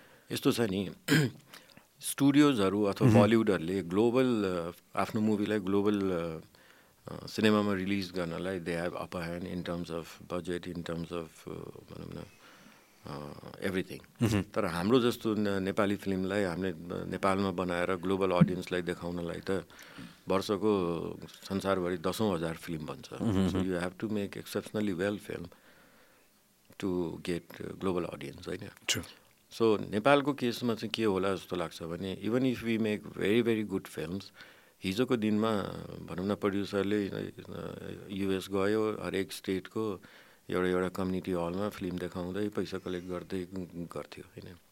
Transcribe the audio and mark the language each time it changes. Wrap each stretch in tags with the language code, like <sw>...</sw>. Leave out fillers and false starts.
<ne>यस्तो छ नि स्टुडियोजहरू अथवा बलिउडहरूले ग्लोबल आफ्नो मुभीलाई ग्लोबल सिनेमामा रिलिज गर्नलाई</ne> <en>they have upper hand in terms of budget</en> <ne>in terms of भनौँ न एभ्रिथिङ. तर हाम्रो जस्तो नेपाली फिल्मलाई हामीले नेपालमा बनाएर ग्लोबल अडियन्सलाई देखाउनलाई त वर्षको संसारभरि 10,000 फिल्म भन्छ.</ne> <en>you have to make exceptionally well film to get global audience</en> <ne>होइन. सो नेपालको केसमा चाहिँ के होला जस्तो लाग्छ भने</ne> <en>even if we make very very good films</en> <ne>हिजोको दिनमा भनौँ न प्रड्युसरले युएस गयो हरेक स्टेटको एउटा एउटा कम्युनिटी हलमा फिल्म देखाउँदै पैसा कलेक्ट गर्दै गर्थ्यो होइन.</ne>